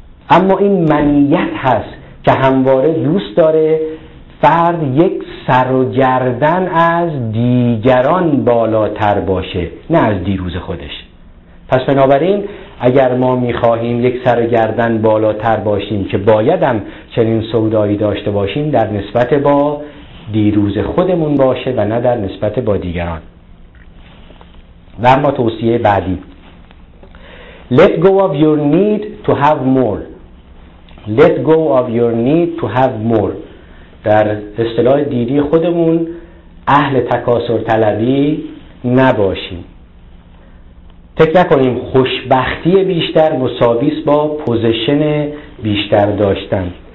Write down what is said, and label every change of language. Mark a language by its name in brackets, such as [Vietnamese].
[Persian] اما این منیت هست که همواره دوست داره فرد یک سر و گردن از دیگران بالاتر باشه، نه از دیروز خودش. پس بنابراین اگر ما میخواهیم یک سر و گردن بالاتر باشیم، که بایدم چنین سودایی داشته باشیم، در نسبت با دیروز خودمون باشه و نه در نسبت با دیگران. و اما توصیه بعدی، [English] Let go of your need to have more. Let go of your need to have more. [Persian] در اصطلاح دیدی خودمون اهل تکاثر طلبی نباشیم. فکر نکنیم خوشبختی بیشتر مساوی است با پوزیشن بیشتر داشتن.